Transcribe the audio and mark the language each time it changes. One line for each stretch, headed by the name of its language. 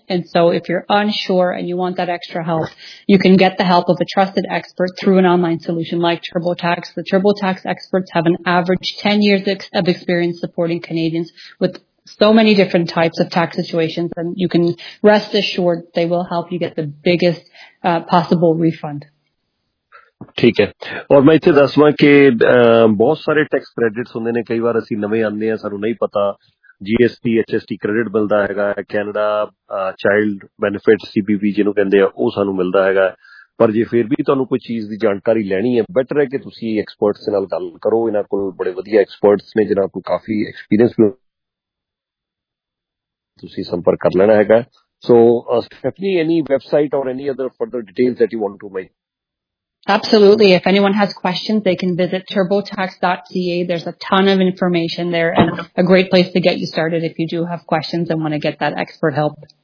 English: And so if you're unsure and you want that extra help, you can get the help of a trusted expert through an online solution like TurboTax. The TurboTax experts have an average 10 years of experience supporting Canadians with so many different types of tax situations. And you can rest assured they will help you get the biggest possible refund.
Punjabi: ਠੀਕ ਹੈ ਔਰ ਮੈਂ ਇੱਥੇ ਦੱਸਵਾਂ ਕਿ ਬਹੁਤ ਸਾਰੇ tax credits ਹੁੰਦੇ ਨੇ ਕਈ ਵਾਰ ਅਸੀਂ ਨਵੇਂ ਆਉਂਦੇ ਹਾਂ ਸਾਨੂੰ ਨਹੀਂ ਪਤਾ GST HST ਕ੍ਰੈਡਿਟ ਮਿਲਦਾ ਹੈਗਾ ਕੈਨੇਡਾ ਚਾਈਲਡ ਬੈਨੀਫਿਟ CBB ਜਿਹਨੂੰ ਕਹਿੰਦੇ ਆ ਉਹ ਸਾਨੂੰ ਮਿਲਦਾ ਹੈਗਾ ਪਰ ਜੇ ਫਿਰ ਵੀ ਤੁਹਾਨੂੰ ਕੋਈ ਚੀਜ਼ ਦੀ ਜਾਣਕਾਰੀ ਲੈਣੀ ਹੈ ਬੈਟਰ ਹੈ ਕਿ ਤੁਸੀਂ ਐਕਸਪਰਟਸ ਦੇ ਨਾਲ ਗੱਲ ਕਰੋ ਇਹਨਾਂ ਕੋਲ ਬੜੇ ਵਧੀਆ ਐਕਸਪਰਟਸ ਨੇ ਜਿਹਨਾਂ ਕੋਲ ਕਾਫੀ ਐਕਸਪੀਰੀਅੰਸ ਵੀ ਤੁਸੀਂ ਸੰਪਰਕ ਕਰ ਲੈਣਾ ਹੈਗਾ ਸੋ ਸਟੈਫਨੀ
English: Any website or any other further details that you want to make Absolutely. If anyone has questions, they can visit turbotax.ca. There's a ton of information there and a great place to get you started if you do have questions and want to get that expert help.